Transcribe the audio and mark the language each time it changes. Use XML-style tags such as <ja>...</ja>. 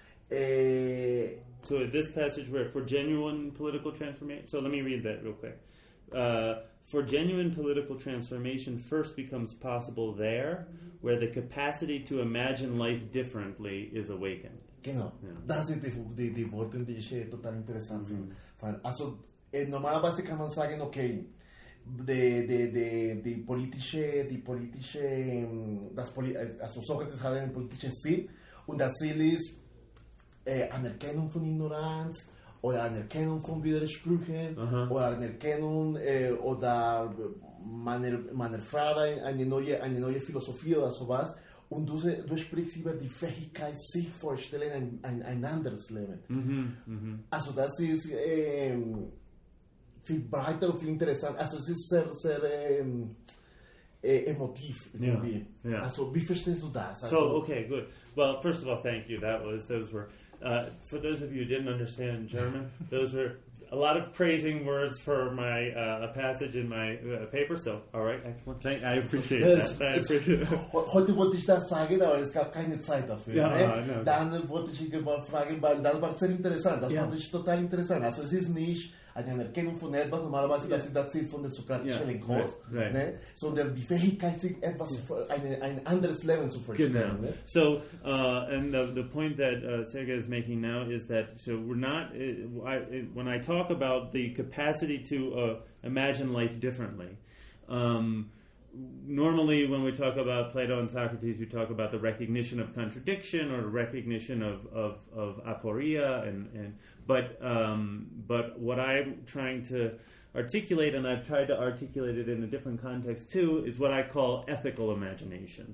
<en>So, this passage where for genuine political transformation, so let me read that real quick. For genuine political transformation first becomes possible there, where the capacity to imagine life differently is awakened.</en> <de>Genau. Yeah. Das ist die Worte, die ich total interessant finde. Mm-hmm. Also, normalerweise kann man sagen, okay, Socrates hat einen politischen Ziel, und das Ziel ist Anerkennung von Ignoranz, oder Anerkennung von Widersprüchen, uh-huh. oder Anerkennung, oder man erfährt eine neue Philosophie oder sowas. Und du sprichst über die Fähigkeit, sich vorstellen, ein anderes Leben. Mm-hmm. Also das ist viel breiter und viel interessanter. Also es ist sehr, sehr emotiv. Yeah. Yeah. Also wie verstehst du das? Also,</de> <en>so, okay, good. Well, first of all, thank you. For those of you who didn't understand German, those were a lot of praising words for my a passage in my paper. So, all right, excellent. I appreciate that.</en> <de>Heute wollte ich das sagen, aber es gab keine Zeit dafür. Ja, ne? Dann wollte ich mal fragen, weil das war sehr interessant. Das fand ich total interessant. Also es ist nicht eine Anerkennung von etwas, normalerweise das ist das Ziel von der sokratischen Lenkung, ne? Sondern die Fähigkeit, sich etwas ein anderes Leben zu verstehen. Genau. Ne?</de> <en>So, and the point that Sergei is making now is that, so we're not, when I talk about the capacity to imagine life differently, normally when we talk about Plato and Socrates, you talk about the recognition of contradiction or recognition of aporia, but what I'm trying to articulate, and I've tried to articulate it in a different context too, is what I call ethical imagination.</en>